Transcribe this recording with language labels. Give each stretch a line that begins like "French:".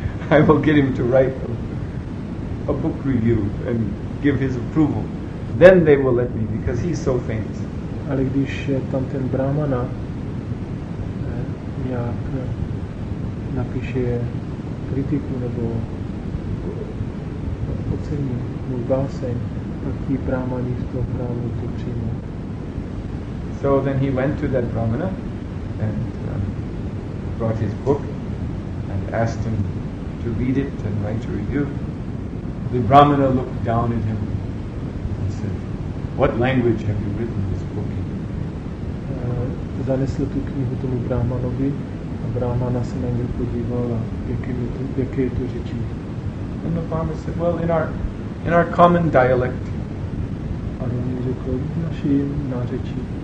English: I will get him to write a book review and give his approval. Then they will let me, because he's so famous.
Czech: Ale když tam ten Brahmana nějak napíše kritiku nebo ocení můj báseň, tak ti Brahmani z toho chrámu to přijmou.
English: So then he went to that Brahmana and brought his book and asked him to read it and write a review. The Brahmana looked down at him and said, "What language have you written this book in?"
Czech: Zanesl tu knihu tomu Brahmanovi a Brahmana se na něj podíval a jaké je to řečí.
English: And the Brahmana said, "Well, in our common dialect."
Czech: A on mu řekl, v našem nářečí.